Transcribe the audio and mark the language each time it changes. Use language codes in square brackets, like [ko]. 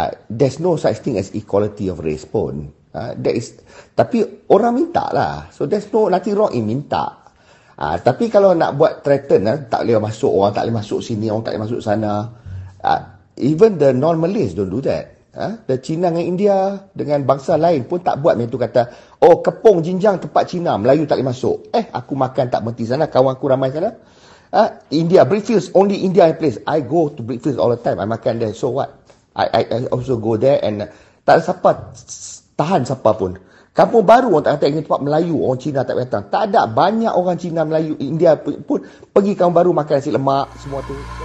[en] There's no such thing as equality of race pun. [ms] Tapi orang minta lah. [en] So there's no nothing wrong in minta. [ms] Tapi kalau nak buat threaten lah, tak boleh masuk, orang tak boleh masuk sini, orang tak boleh masuk sana. [en] Even the non-Malays don't do that. [ms] The Cina dengan India, dengan bangsa lain pun tak buat macam tu, kata, oh kepung jinjang tempat Cina, Melayu tak boleh masuk. Aku makan tak berhenti sana, kawan aku ramai sana. [en] India, breakfast, only India place. I go to breakfast all the time. I makan there. So what? I also go there and [ms] tak ada siapa tahan siapa pun. Kampung baru orang tak kata ini tempat Melayu, orang Cina tak datang. Tak ada banyak orang Cina, Melayu, India pun pergi kampung baru makan nasi lemak, semua tu.